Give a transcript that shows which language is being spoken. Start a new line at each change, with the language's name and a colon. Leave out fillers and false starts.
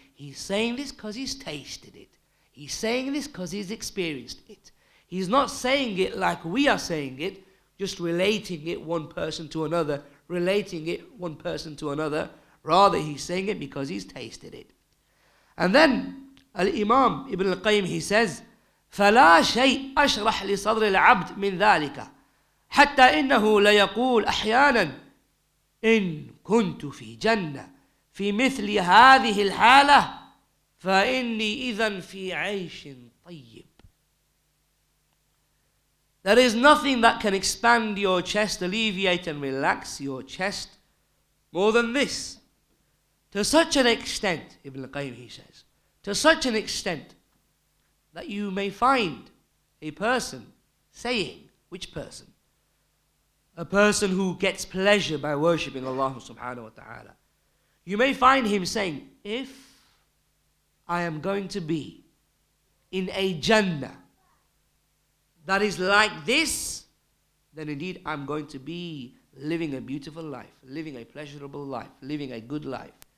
English: He's saying this because he's tasted it. He's saying this because he's experienced it. He's not saying it like we are saying it, just relating it one person to another, relating it one person to another. Rather, he's saying it because he's tasted it. And then, Al-Imam Ibn al-Qayyim, he says,
Arabic: فَلَا شَيْءٍ أَشْرَحْ لِصَدْرِ الْعَبْدِ مِنْ ذَٰلِكَ حَتَّى إِنَّهُ لَيَقُولْ أَحْيَانًا إِن كُنْتُ فِي جَنَّةٍ فِي مِثْلِ هَذِهِ الْحَالَةِ فَإِنِّي إِذًا فِي عَيْشٍ طَيِّبٍ
English: There is nothing that can expand your chest, alleviate and relax your chest more than this. To such an extent, Ibn al-Qayyim, he says, to such an extent that you may find a person saying, which person? A person who gets pleasure by worshipping Allah subhanahu wa ta'ala. You may find him saying, if I am going to be in a Jannah that is like this, then indeed I'm going to be living a beautiful life, living a pleasurable life, living a good life.